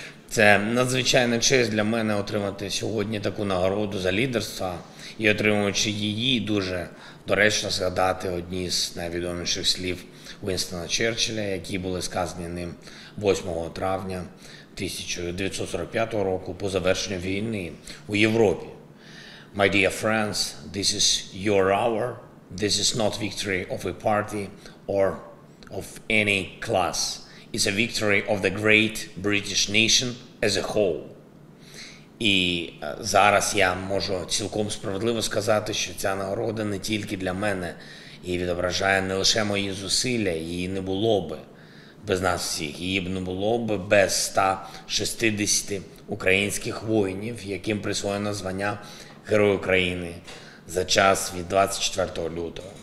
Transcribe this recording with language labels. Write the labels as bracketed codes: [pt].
[uk] Це надзвичайна честь для мене отримати сьогодні таку нагороду за лідерство. І отримуючи її, дуже доречно згадати одні з найвідоміших слів Уінстона Черчилля, які були сказані ним 8 травня 1945 року по завершенню війни у Європі. [en] My dear friends, this is your hour. This is not victory of a party or of any class. It's a victory of the great British nation as a whole. [uk] І зараз я можу цілком справедливо сказати, що ця нагорода не тільки для мене і відображає не лише мої зусилля, її не було б без нас всіх. Її б не було б без 160 українських воїнів, яким присвоєно звання Герой України за час від 24 лютого.